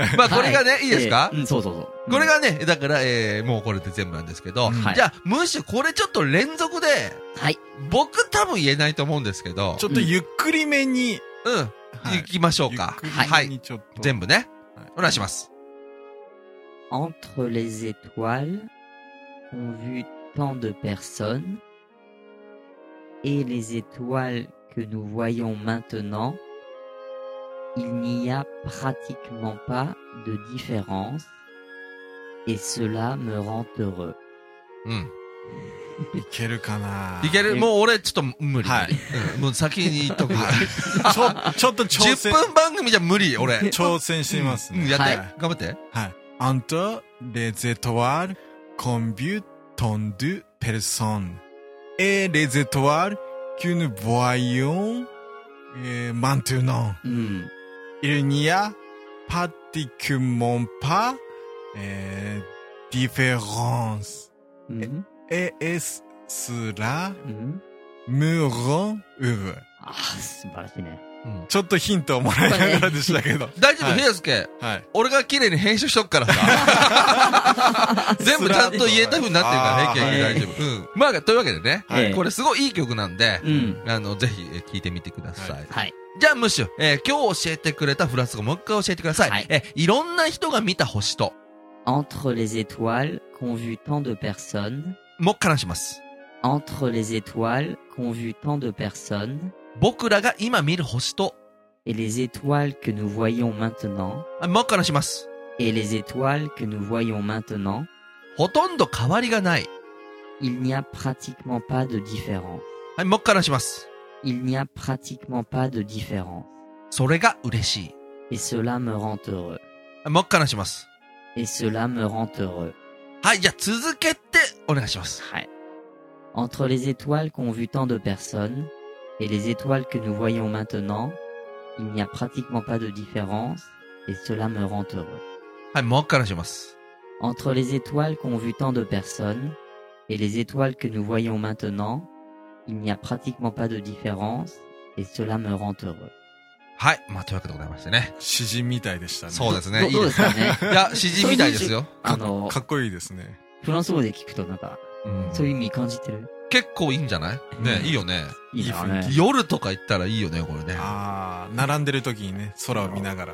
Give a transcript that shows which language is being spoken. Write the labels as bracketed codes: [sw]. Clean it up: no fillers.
[ja] まあ、これがね、はい、いいですか、そうそうそう。これがね、だから、もうこれで全部なんですけど、はい、じゃあ、むしろこれちょっと連続で、はい、僕多分言えないと思うんですけど、ちょっとゆっくりめに、うん、はい、行きましょうか。ゆっくりめにちょっと、はい。全部ね、はい。お願いします。 [fr] Entre les étoiles, ont vu tant de personnes, et les étoiles que nous voyons maintenant,Il n'y a pratiquement pas de différence et cela me rend heureux. [ja] いけるかな。いける。もう俺ちょっと無理。はい。もう先に言っとく。ちょっと挑戦。 10分番組じゃ無理。俺。挑戦してみます、ね。うん、やって、はい。頑張って。はい。 [fr] Entre les étoiles, combien de personnes et les étoiles que nous voyons maintenant. Il n'y a pratiquement pas différence. Mm-hmm. Et cela、mm-hmm. me rend heureux. [ja] Ah, 素晴らしいね。ちょっとヒントをもらいながらでしたけど。大丈夫、平介。はい。俺が綺麗に編集しとくからさ。全部ちゃんと言えたふうになってるから、平介君大丈夫。うん。まあ、というわけでね、はい、これすごいいい曲なんで、うん、あの、ぜひ聴いてみてください。はい。はい、じゃあ、ムッシュ、今日教えてくれたフランス語もう一回教えてください。はい。いろんな人が見た星と。 [fr] Entre les étoiles qu'ont vu tant de personnes. [ja] もう一回話します。 [fr] Entre les étoiles qu'ont vu tant de personnes. [ja] 僕らが今見る星と。 [fr] Et les étoiles que nous voyons maintenant. [ja] もう一回話します。 [fr] Et les étoiles que nous voyons maintenant. [ja] ほとんど変わりがない。 [fr] Il n'y a pratiquement pas de différence. [ja] はい、もう一回話します。 [fr] Il n'y a pratiquement pas de différence. [ja] それが嬉しい。 [fr] Et cela me rend heureux. [ja] もう一回話します。 [fr] Et cela me rend heureux. [ja] はい、じゃあ続けてお願いします。はい。 [fr] Entre les étoiles qu'ont vu tant de personnes,Et les étoiles que nous voyons maintenant, il n'y a pratiquement pas de différence, et cela me rend heureux. [ja] はい、もう一回話します。 [fr] Entre les étoiles qu'ont vu tant de personnes, et les étoiles que nous voyons maintenant, il n'y a pratiquement pas de différence, et cela me rend heureux. [ja] はい、まあ、というわけでございましてね。詩人みたいでしたね。そうですね。どうですかね。いや、詩人みたいですよ。あの、かっこいいですね。フランス語で聞くとなんか、そういう意味感じてる。結構いいんじゃない？ね、いいよね。いいね。夜とか行ったらいいよね、これね。ああ、並んでる時にね、空を見ながら。